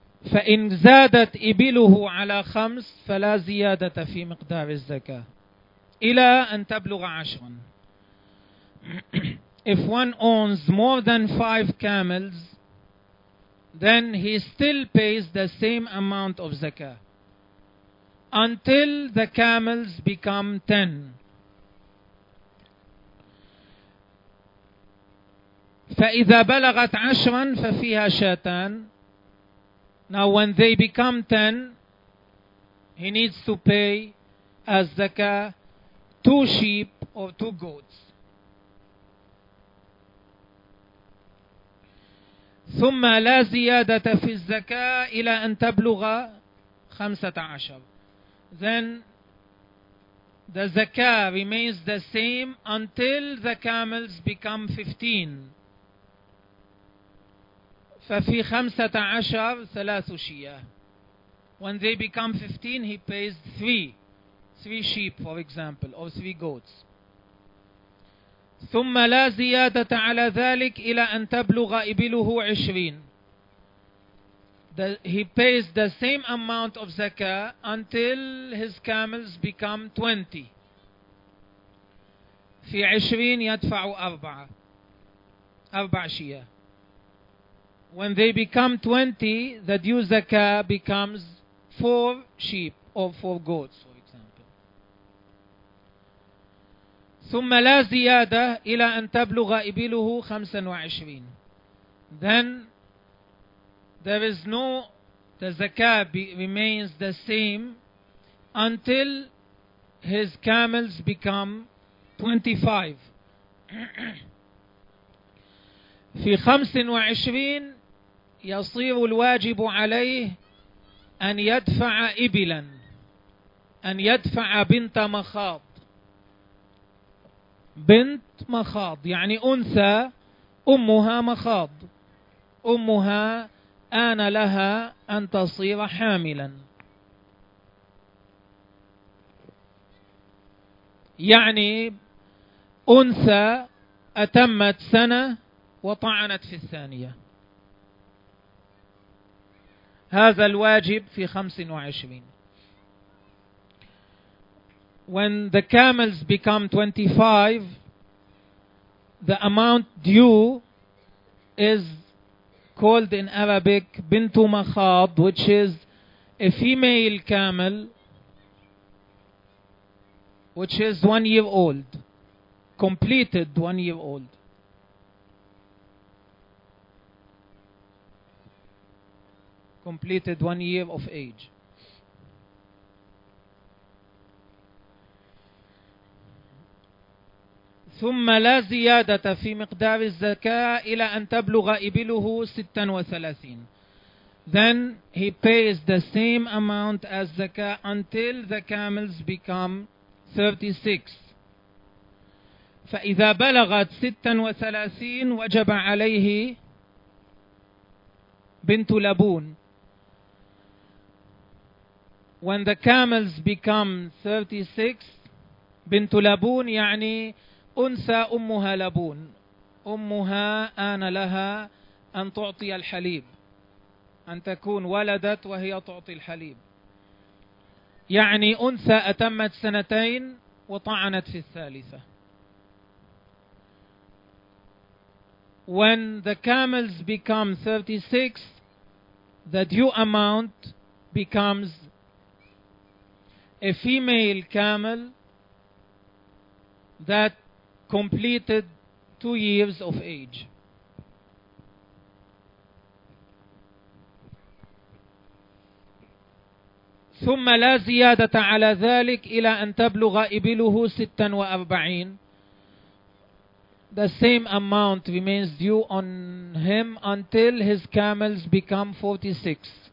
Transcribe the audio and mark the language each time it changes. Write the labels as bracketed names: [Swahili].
[Arabic] فإن زادت إبله على خمس فلا زيادة في مقدار الزكاة إلى أن تبلغ عشرا. [English] If one owns more than five camels, then he still pays the same amount of zakah until the camels become 10. [Arabic] فإذا بلغت عشرا ففيها شاتان. [English] Now when they become 10, he needs to pay as zakah two sheep or two goats. [Arabic] ثم لا زيادة في الزكاة إلى أن تبلغ 15. [English] Then the zakah remains the same until the camels become 15. [Arabic] ففي 15 ثلاث شياه. [English] When they become 15, he pays three sheep, for example, or three goats. [Arabic] ثم لا زيادة على ذلك إلى أن تبلغ إبله 20. [English] He pays the same amount of zakah until his camels become 20. [Arabic] في 20 يدفع 4 شياه. [English] When they become 20, the due zakah becomes 4 sheep or 4 goats. [Arabic] ثم لا زيادة إلى أن تبلغ إبله 25. [English] Then there is no, the zakah remains the same until his camels become 25. [Arabic] في 25 يصير الواجب عليه أن يدفع إبلا, أن يدفع بنت مخاض. بنت مخاض يعني أنثى أمها مخاض, أمها آن لها أن تصير حاملا. يعني أنثى أتمت سنة وطعنت في الثانية, هذا الواجب في 25. [English] When the camels become 25, the amount due is called in Arabic bintu makhad, which is a female camel which is 1 year old, completed 1 year old. Completed 1 year of age. [Arabic] ثم لا زيادة في مقدار الزكاة إلى أن تبلغ إبله 36. [English] Then he pays the same amount as zakah until the camels become 36. [Arabic] فإذا بلغت 36 وجب عليه بنت لبون. [English] When the camels become 36, [Arabic] بنت لبون يعني أنثى أمها لبون. أمها آن لها أن تعطي الحليب. أن تكون ولدت وهي تعطي الحليب. يعني أنثى أتمت سنتين وطعنت في الثالثة. [English] When the camels become 36, the due amount becomes a female camel that completed 2 years of age. [Arabic] ثم لا زيادة على ذلك إلى أن تبلغ إبله 46. [English] The same amount remains due on him until his camels become 46.